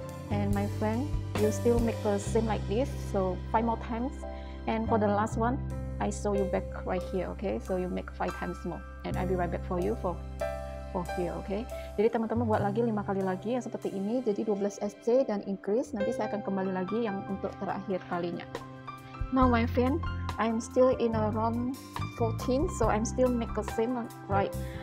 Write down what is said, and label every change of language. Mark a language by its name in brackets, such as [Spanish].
[English] And my friend, you still make the same like this, so 5 more times. And for the last one, I show you back right here, okay? So you make 5 times more, and I'll be right back for you for here, okay? [Indonesian] Jadi teman-teman buat lagi 5 kali lagi yang seperti ini, jadi 12 SC dan increase. Nanti saya akan kembali lagi yang untuk terakhir kalinya. [English] Now my friend, I'm still in a round 14, so I'm still make the same, right?